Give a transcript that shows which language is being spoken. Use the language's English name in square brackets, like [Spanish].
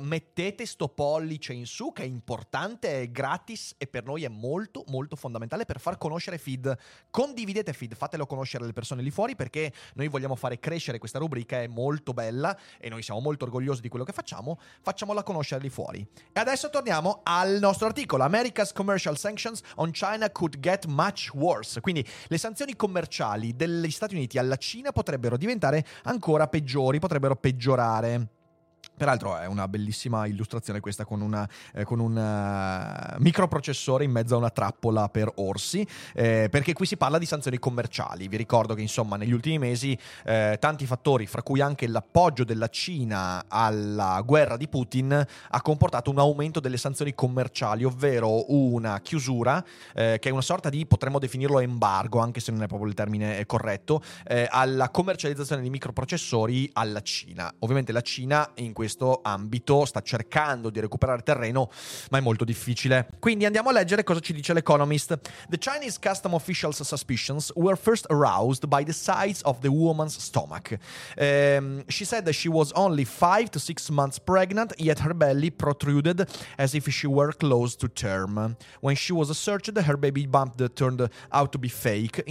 [Italian] Mettete sto pollice in su che è importante, è gratis e per noi è molto molto fondamentale per far conoscere Feed. Condividete Feed, fatelo conoscere alle persone lì fuori, perché noi vogliamo fare crescere questa rubrica, è molto bella e noi siamo molto orgogliosi di quello che facciamo. Facciamola conoscere lì fuori. E adesso torniamo al nostro articolo. [English] America's commercial sanctions on China could get much worse. [Italian] Quindi le sanzioni commerciali degli Stati Uniti alla Cina potrebbero diventare ancora peggiori, potrebbero peggiorare. Peraltro è una bellissima illustrazione questa con una microprocessore in mezzo a una trappola per orsi, perché qui si parla di sanzioni commerciali. Vi ricordo che insomma negli ultimi mesi tanti fattori, fra cui anche l'appoggio della Cina alla guerra di Putin, ha comportato un aumento delle sanzioni commerciali, ovvero una chiusura che è una sorta di, potremmo definirlo embargo, anche se non è proprio il termine corretto, alla commercializzazione di microprocessori alla Cina. Ovviamente la Cina in questo ambito sta cercando di recuperare terreno, ma è molto difficile. Quindi andiamo a leggere cosa ci dice l'Economist. [English] The Chinese custom officials' suspicions were first aroused by the size of the woman's stomach. She said that she was only 5 to 6 months pregnant, yet her belly protruded as if she were close to term. When she was searched, her baby bump turned out to be fake.